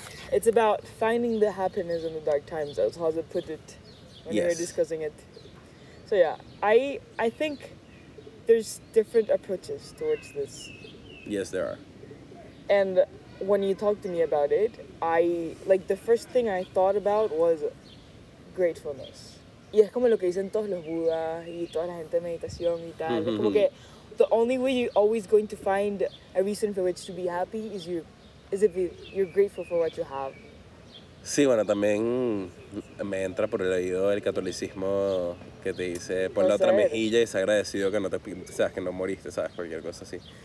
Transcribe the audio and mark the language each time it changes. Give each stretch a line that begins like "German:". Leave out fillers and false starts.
English: It's about finding the happiness in the dark times, as José put it when we were discussing it. So yeah, I think there's different approaches towards this. Yes, there are. And when you talked to me about it, the first thing I thought about was gratefulness.
Spanish: Y es como lo que dicen todos los budas y toda la gente de meditación y tal. Mm-hmm. Como que
English: the only way you're always going to find a reason for which to be happy is if you're grateful for what you have.
Spanish: Sí, bueno, también me entra por el oído el catolicismo que te dice pon la otra mejilla y sea agradecido que no te sabes que no moriste, sabes, cualquier cosa así.